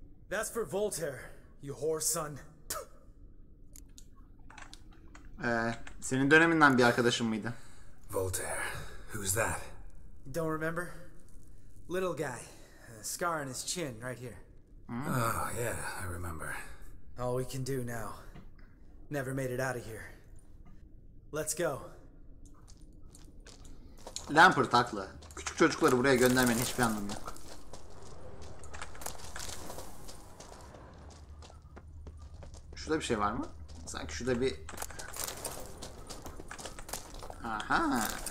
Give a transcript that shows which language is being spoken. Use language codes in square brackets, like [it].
[en] That's for Voltaire, you whore son. [tr] Senin döneminden bir arkadaşın mıydı? [en] Voltaire. Who's that? Don't remember. Little guy. Scar on his chin, right here. Oh, yeah, I remember. All we can do now. Never made it out of here. Let's go. [tr] Lampert haklı. Küçük çocukları buraya göndermenin hiçbir anlamı yok. Şurada bir şey var mı? Sanki şurada bir... Aha.